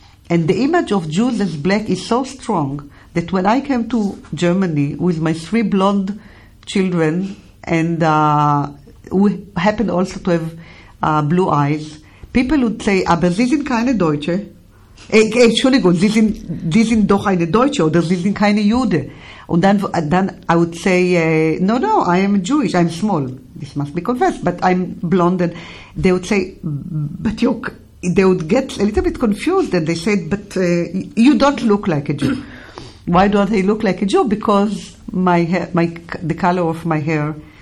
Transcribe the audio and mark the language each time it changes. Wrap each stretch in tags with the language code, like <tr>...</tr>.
<en>And the image of Jews as black is so strong that when I came to Germany with my three blonde children, and we happen also to have blue eyes, people would say,</en> <de>aber sie sind keine Deutsche. Entschuldigung, sie sind doch eine Deutsche oder sie sind keine Jude.</de> <en>And then I would say, no, I am Jewish, I'm small. This must be confessed, but I'm blonde. And they would say, but they would get a little bit confused. And they said, but you don't look like a Jew. Why don't I look like a Jew? Because the color of my hair.</en>